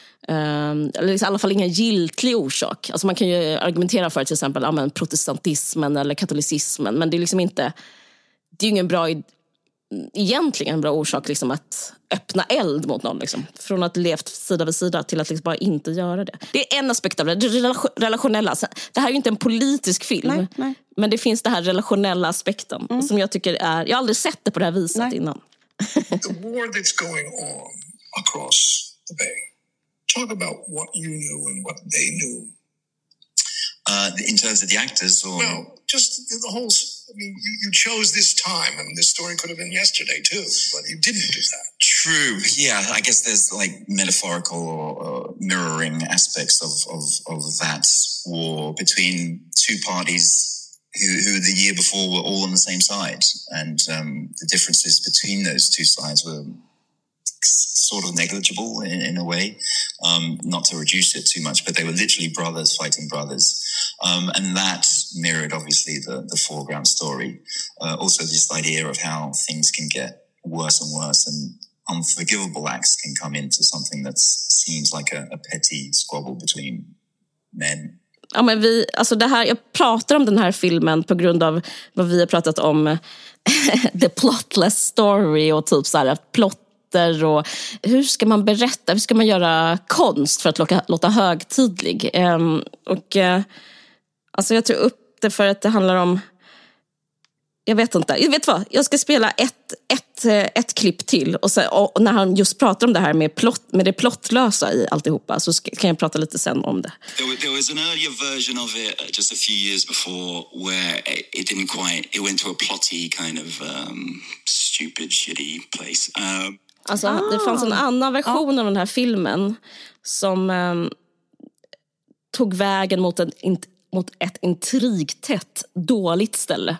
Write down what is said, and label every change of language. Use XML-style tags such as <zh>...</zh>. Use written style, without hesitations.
<sv>Eller liksom, i alla fall ingen giltig orsak. Alltså man kan ju argumentera för till exempel protestantismen eller katolicismen, men det är liksom inte, det är ju ingen bra, egentligen en bra orsak liksom, att öppna eld mot någon liksom. Från att levt sida vid sida till att liksom bara inte göra det. Det är en aspekt av det, relationella. Det här är ju inte en politisk film. Nej, nej. Men det finns det här relationella aspekten. Mm. Som jag tycker är, jag har aldrig sett det på det här viset. Nej. Innan.</sv> <en>The war that's going on across the bay. Talk about what you knew and what they knew. In terms of the actors? Or... Well, just the whole... I mean, you chose this time. I mean, this story could have been yesterday, too. But you didn't do that. True. Yeah, I guess there's, like, metaphorical or mirroring aspects of that war between two parties who the year before were all on the same side. And the differences between those two sides were... sort of negligible in a way, not to reduce it too much, but they were literally brothers fighting brothers, and that mirrored obviously the foreground story. Also this idea of how things can get worse and worse, and unforgivable acts can come into something that seems like a petty squabble between men.</en> <sv>Ja, men vi, alltså det här, jag pratar om den här filmen på grund av vad vi har pratat om</sv> <en>the plotless story</en> <sv>och typ så här att plot, och hur ska man berätta, hur ska man göra konst för att låta högtidlig? Och alltså jag tog upp det för att det handlar om, jag vet inte, jag vet vad, jag ska spela ett klipp till och, så, och när han just pratar om det här med det plottlösa i alltihopa, så kan jag prata lite sen om det.</sv> <en>There was an earlier version of it just a few years before where it didn't quite, it went to a plotty kind of stupid shitty place.</en> <sv>Alltså, ah. Det fanns en annan version av den här filmen som tog vägen mot mot ett intrigtätt dåligt ställe.</sv>